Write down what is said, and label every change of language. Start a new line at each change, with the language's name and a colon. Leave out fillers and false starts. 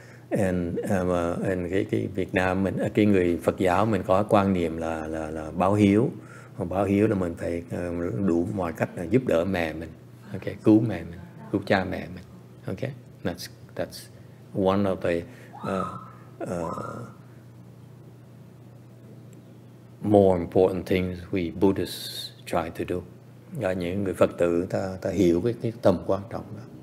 Vietnamese: And cái Việt Nam mình, cái người Phật giáo mình có quan niệm là báo hiếu. Báo hiếu là mình phải đủ mọi cách là giúp đỡ mẹ mình. Okay, cứu mẹ mình, cứu cha mẹ mình.
English: Okay, that's one of the more important things we Buddhists try to do.
Vietnamese: Và những người Phật tử ta hiểu cái tầm quan trọng đó.